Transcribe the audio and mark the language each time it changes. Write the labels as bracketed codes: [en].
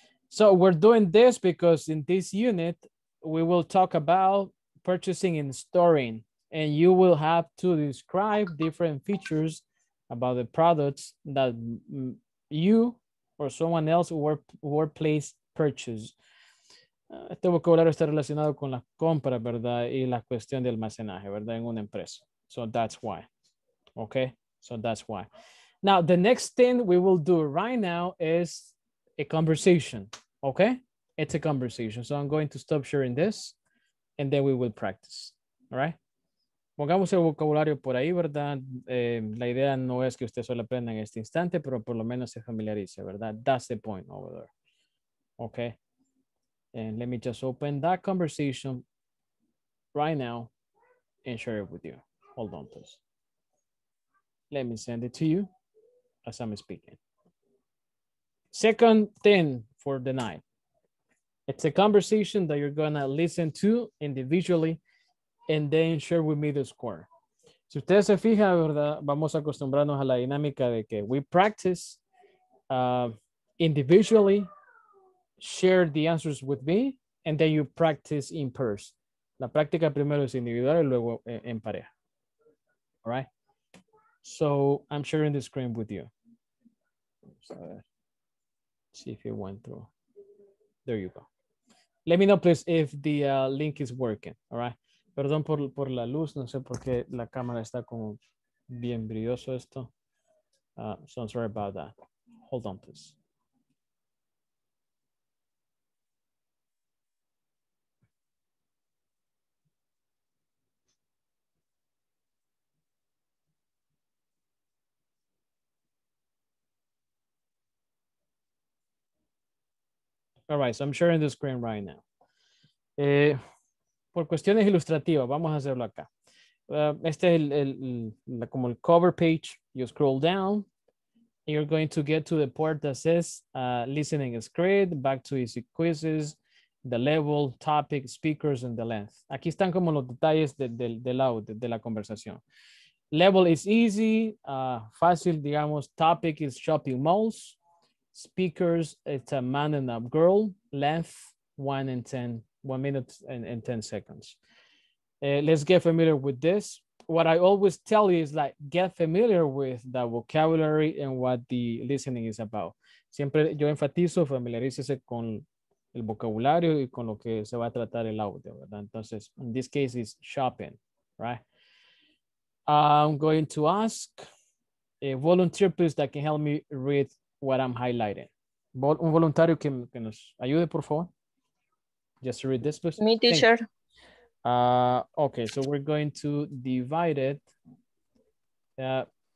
[en] So we're doing this because in this unit, we will talk about purchasing and storing. And you will have to describe different features about the products that you or someone else workplace purchase. [es] Este vocabulario está relacionado con las compras, ¿verdad? Y la cuestión de almacenaje, ¿verdad? En una empresa. [en] So that's why. Okay? So that's why. Now, the next thing we will do right now is a conversation. Okay? It's a conversation. So I'm going to stop sharing this and then we will practice. All right? [es] Pongamos el vocabulario por ahí, ¿verdad? La idea no es que usted solo aprenda en este instante, pero por lo menos se familiarice, ¿verdad? [en] That's the point over there. Okay. And let me just open that conversation right now and share it with you. Hold on, please. Let me send it to you as I'm speaking. Second thing for the night. It's a conversation that you're going to listen to individually and then share with me the score. [es] Si usted se fija, ¿verdad? Vamos a acostumbrarnos a la dinámica de que [en] we practice individually, share the answers with me, and then you practice in pairs. [es] La práctica primero es individual y luego en pareja. [en] All right? So I'm sharing the screen with you. So, see if it went through. There you go. Let me know, please, if the link is working. All right? [es] Perdón por la luz, no sé por qué la cámara está como bien brilloso esto. [en] So I'm sorry about that. Hold on, please. All right, so I'm sharing the screen right now. [es] Por cuestiones ilustrativas, vamos a hacerlo acá. Este es como el cover page. [en] You scroll down. And you're going to get to the part that says listening is great, back to easy quizzes, the level, topic, speakers, and the length. [es] Aquí están como los detalles de la conversación. [en] Level is easy, [es] fácil, digamos. [en] Topic is shopping malls. Speakers, it's a man and a girl. Length, 1 minute and 10 seconds. Let's get familiar with this. What I always tell you is like, get familiar with the vocabulary and what the listening is about. [es] Siempre yo enfatizo, familiarícese con el vocabulario y con lo que se va a tratar el audio, ¿verdad? Entonces, [en] in this case, it's shopping, right? I'm going to ask a volunteer, please, that can help me read what I'm highlighting. [es] Un voluntario que nos ayude, por favor. [en] Just read this, please. Me, teacher. Okay, so we're going to divide it.